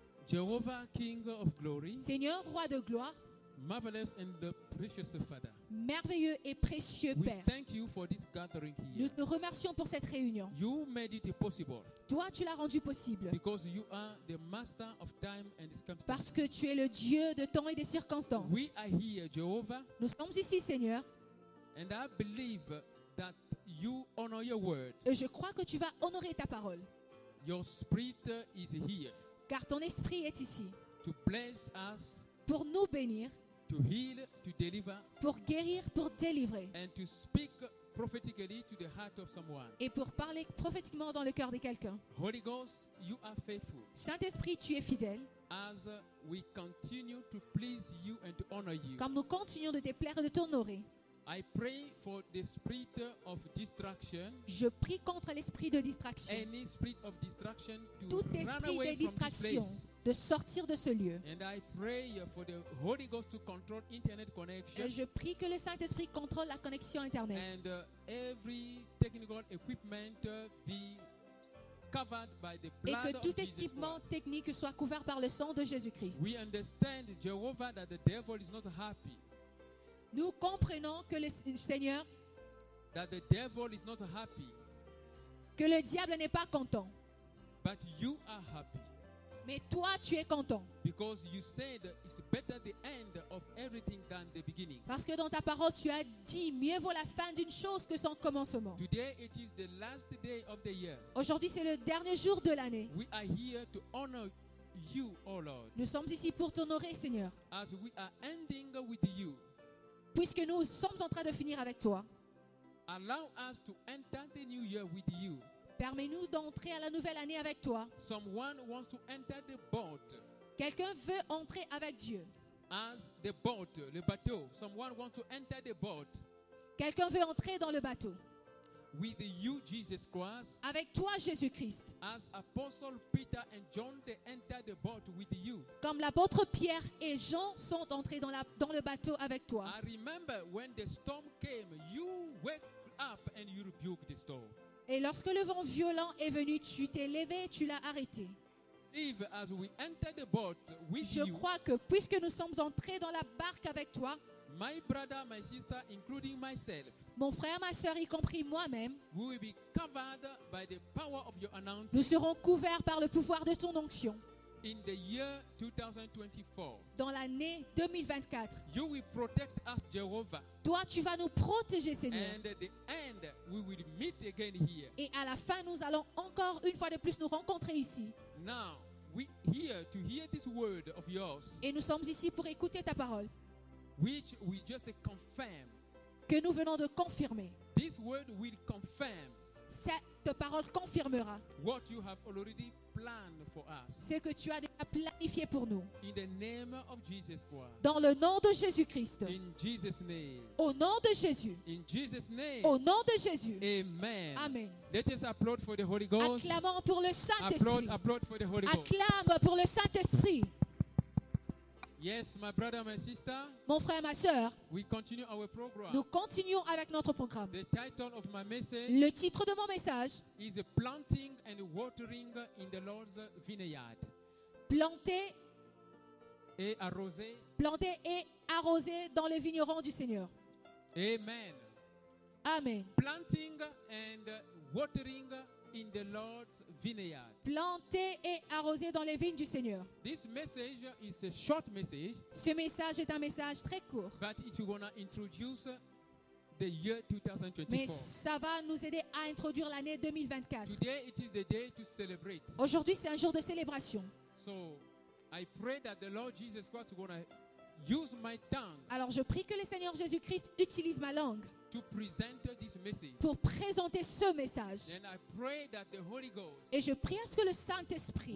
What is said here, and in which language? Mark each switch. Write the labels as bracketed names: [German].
[English] Jehovah, King of Glory. [French] Seigneur, roi de gloire. [English] Marvelous and the precious Father. [French] Merveilleux et précieux [English] we [French] Père. [English] Thank you for this gathering here. [French] Nous te remercions pour cette réunion. [English] You made it possible. [French] Toi, tu l'as rendu possible. [English] Because you are the master of time and circumstances. [French] Parce que tu es le Dieu de temps et des circonstances. [English] We are here, Jehovah. [French] Nous sommes ici, Seigneur. [English] And I believe that you honor your word. [French] Et je crois que tu vas honorer ta parole. [English] Your spirit is here. [French] Car ton esprit est ici. [English] To bless us. [French] Pour nous bénir. [English] To heal, to deliver, [French] pour guérir, pour délivrer. [English] And to speak prophetically to the heart of someone. [French] Et pour parler prophétiquement dans le cœur de quelqu'un. [English] Holy Ghost, you are faithful. [French] Saint-Esprit, tu es fidèle. [English] As we continue to please you and to honor you. [French] Comme nous continuons de te plaire et de t'honorer. [English] I pray for the spirit of distraction. [French] Je prie contre l'esprit de distraction. [English] Any spirit of distraction to [French] tout esprit [English] run away [French] de distraction [English] from this place. [French] De sortir de ce lieu. [English] And I pray for the Holy Ghost to control internet connection. [French] Et je prie que le Saint-Esprit contrôle la connexion internet. [English] And every technical equipment be covered by the blood [French] et que tout [English] of [French] équipement [English] Jesus [French] technique soit couvert par le sang de Jésus-Christ. [English] We understand, Jehovah, that the devil is not happy. [French] Nous comprenons que le Seigneur [English] that the devil is not happy, [French] que le diable n'est pas content [English] but you are happy, [French] mais toi tu es content [English] because you said it's better the end of everything than the beginning. [French] Parce que dans ta parole tu as dit mieux vaut la fin d'une chose que son commencement. [English] Today it is the last day of the year. [French] Aujourd'hui c'est le dernier jour de l'année. [English] We are here to honor you, oh Lord. [French] Nous sommes ici pour t'honorer, Seigneur. [English] As we are ending with you. [French] Puisque nous sommes en train de finir avec toi, [English] allow us to enter the new year with you. [French] Permets-nous d'entrer à la nouvelle année avec toi. [English] Someone wants to enter the boat. [French] Quelqu'un veut entrer avec Dieu. [English] As the boat, [French] le bateau. [English] Someone wants to enter the boat. [French] Quelqu'un veut entrer dans le bateau. [English] With you, Jesus Christ. [French] Avec toi, Jésus Christ. [English] As Apostle Peter and John, they enter the boat with you. [French] Comme l'apôtre Pierre et Jean sont entrés dans le bateau avec toi. [English] I remember when the storm came, you woke up and you rebuked the storm. [French] Et lorsque le vent violent est venu, tu t'es levé, tu l'as arrêté. [English] As we enter the boat with [French] Je crois que puisque nous sommes entrés dans la barque avec toi, [English] my brother, my sister, including myself, [French] mon frère, ma soeur, y compris moi-même, [English] we will be covered by the power of your anointing, [French] nous serons couverts par le pouvoir de ton onction. [English] In the year 2024, [French] dans l'année 2024, [English] you will protect us, Jehovah. [French] Toi, tu vas nous protéger, Seigneur. [English] And at the end, we will meet again here. [French] Et à la fin, nous allons encore une fois de plus nous rencontrer ici. [English] Now, we here to hear this word of yours. [French] Et nous sommes ici pour écouter ta parole. [English] Which we just confirm. [French] Que nous venons de confirmer. [English] This word will confirm. [French] Cette parole confirmera. [English] What you have already plan for us. [French] Ce que tu as déjà planifié pour nous. [English] In the name of Jesus Christ. [French] Dans le nom de Jésus Christ. [English] In Jesus name. [French] Au nom de Jésus. [English] In Jesus name. [French] Au nom de Jésus. [English] Amen. [French] Amen. [English] Let us applaud for the Holy Ghost. [French] Acclamons pour le Saint-Esprit. [English] Applaud for the Holy Ghost. [French] Acclame pour le Saint-Esprit. [English] Yes, my brother, my sister. [French] Mon frère, ma sœur. [English] We continue our program. [French] Nous continuons avec notre programme. [English] The title of my message. [French] Le titre de mon message. [English] Is planting and watering in the Lord's vineyard. [French] Planter. Et arroser. Planter et arroser dans le vigneron du Seigneur. [English] Amen. [French] Amen. [English] Planting and watering in the Lord's vineyard. [French] Planter et arroser dans les vignes du Seigneur. [English] This message is a short message. [French] Ce message est un message très court. [English] But it's gonna introduce the year 2024. [French] Mais ça va nous aider à introduire l'année 2024. [English] Today it is the day to celebrate. [French] Aujourd'hui c'est un jour de célébration. [English] So I pray that the Lord Jesus Christ is gonna use my tongue. [French] Alors je prie que le Seigneur Jésus-Christ utilise ma langue. [English] To present this message. [French] Pour présenter ce message. [English] Then I pray that the Holy Ghost. [French] Et je prie à ce que le Saint-Esprit